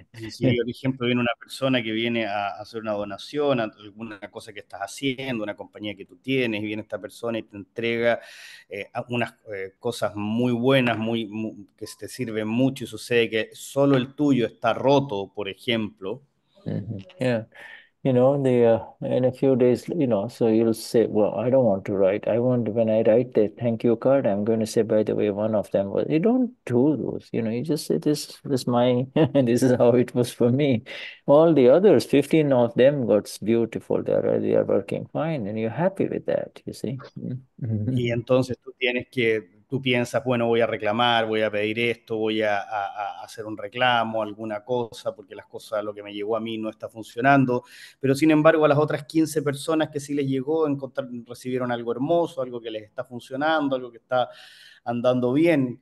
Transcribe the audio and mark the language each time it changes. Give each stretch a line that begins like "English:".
Spanish: Sí, por ejemplo, viene una persona que viene a hacer una donación, a alguna cosa que estás haciendo, una compañía que tú tienes, y viene esta persona y te entrega unas cosas muy buenas, muy que te sirven mucho y sucede que solo el tuyo está roto, por ejemplo.
English: In a few days, so you'll say, well, I don't want to write. I want when I write the thank you card, I'm going to say, by the way, one of them. Well, you don't do those. You just say, this is how it was for me. All the others, 15 of them, got beautiful. They are working fine, and you're happy with that, you see.
Spanish: Y entonces tú piensas, bueno, voy a reclamar, voy a pedir esto, voy a hacer un reclamo, alguna cosa, porque las cosas, lo que me llegó a mí no está funcionando. Pero sin embargo, a las otras 15 personas que sí les llegó, recibieron algo hermoso, algo que les está funcionando, algo que está andando bien.